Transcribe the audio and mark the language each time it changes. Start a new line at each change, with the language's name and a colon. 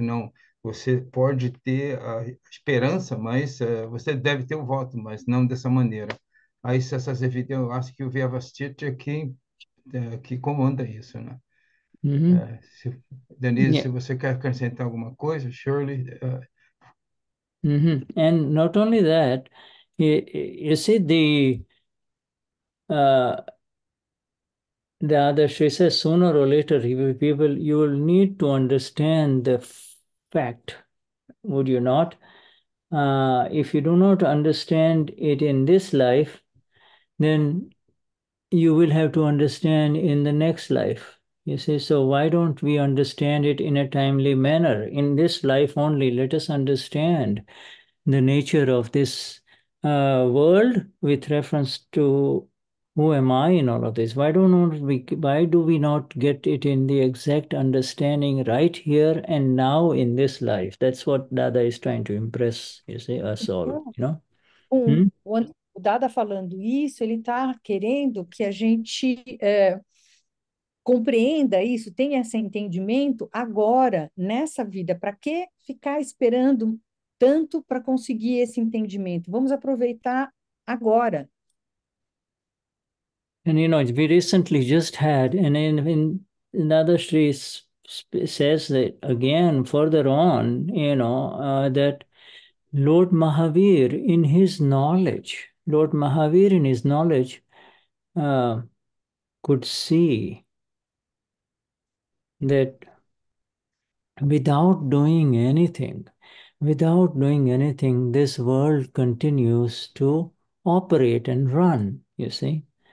Portuguese: Não, você pode ter a esperança, mas você deve ter o voto, mas não dessa maneira. Aí, se essas evidências, eu acho que o Vyavastita é quem comanda isso, né? Denise, se você quer acrescentar alguma coisa, Shirley.
English: And not only that, you see, the other she says sooner or later you will need to understand the fact, would you not? If you do not understand it in this life, then you will have to understand in the next life. You see, so why don't we understand it in a timely manner? In this life only, let us understand the nature of this world with reference to who am I in all of this? Why do we not get it in the exact understanding right here and now in this life? That's what Dada is trying to impress, you see, us all, you know?
Portuguese: O Dada falando isso, ele está querendo que a gente compreenda isso, tenha esse entendimento agora, nessa vida. Para que ficar esperando tanto para conseguir esse entendimento? Vamos aproveitar agora.
English: And, we recently just had, and in another Shri says that again, further on, that Lord Mahavir, in his knowledge, Lord Mahavir, in his knowledge, could see that without doing anything, this world continues to operate and run, you see.